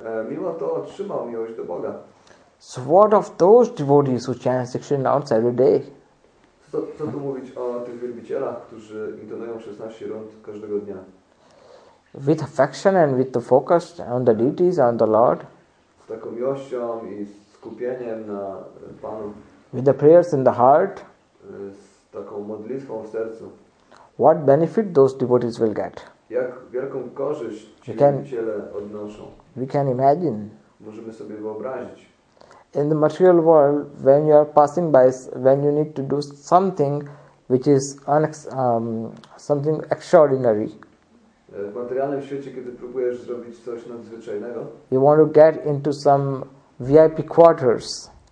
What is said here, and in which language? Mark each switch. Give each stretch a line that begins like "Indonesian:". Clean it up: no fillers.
Polish: Mimo to otrzymał miłość do Boga.
English: So what of those devotees who chant 16 rounds every day?
Polish: Co tu mówić o tych wielbicielach, którzy intonują 16 rund każdego dnia?
English: With affection and with the focus on the deities, on the Lord.
Polish: Z taką miłością i skupieniem na Panu.
English: With the prayers in the heart.
Polish: Z taką modlitwą w sercu.
English: What benefit those devotees will get?
Polish: Jak wielką korzyść ci wielbiciele odnoszą?
English: We can imagine.
Polish: Możemy sobie wyobrazić.
English: In the material world, when you are passing by, when you need to do something which is something extraordinary.
Polish: W materialnym świecie, kiedy próbujesz zrobić coś nadzwyczajnego.
English: You want to get into some VIP quarters.